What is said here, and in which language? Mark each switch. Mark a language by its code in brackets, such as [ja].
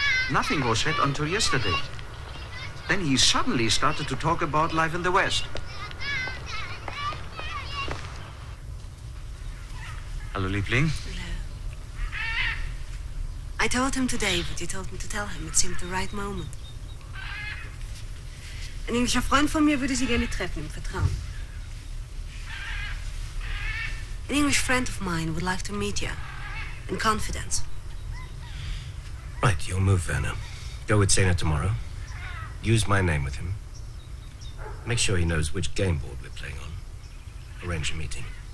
[en] Nothing was said until yesterday. Then he suddenly started to talk about life in the West. Hello, Liebling. Hello. I told him today what you told me to tell him. It seemed the right moment. [de] An englischer Freund von mir würde Sie gerne treffen, im Vertrauen. [en] An English friend of mine would like to meet you. In confidence. Right, you'll move, Werner. Go with Sena tomorrow. Use my name with him. Make sure he knows which game board we're playing on. Arrange a meeting.